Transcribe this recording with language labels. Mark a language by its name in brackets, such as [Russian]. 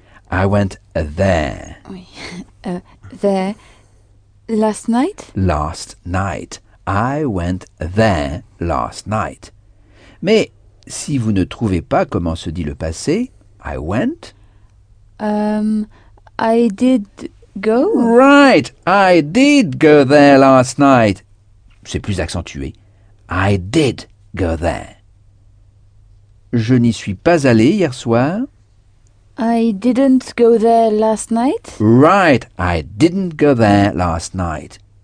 [English] I went there. Oui. There. Last night. Last night. I went there last night. Mais... [French] si vous ne trouvez pas comment se dit le passé, [English] I went. I did go. Right, I did go there last night. [French] C'est plus accentué. [English] I did go there. [French] Je n'y suis pas allé hier soir. [English] I didn't go there last night. Right, I didn't go there last night.